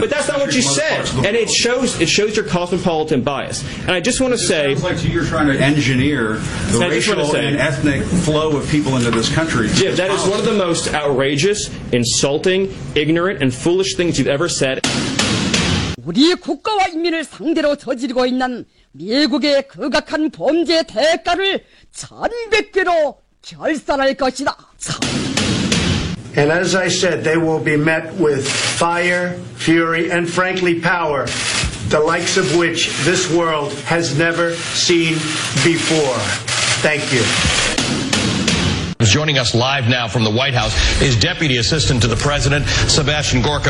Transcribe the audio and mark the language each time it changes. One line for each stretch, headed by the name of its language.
English: But that's not what you said. And it shows your cosmopolitan bias. And I just want to say, it sounds like you're trying to engineer the racial and ethnic flow of people into this country. Yeah, that is one of the most outrageous, insulting, ignorant, and foolish things you've ever said.
Korean: 우리 국가와 인민을 상대로 저지르고 있는 미국의 극악한 범죄 대가를 전백대로 결산할 것이다.
English: And as I said, they will be met with fire, fury, and frankly power, the likes of which this world has never seen before. Thank you. Joining us live now from the White House is Deputy Assistant to the President, Sebastian Gorka.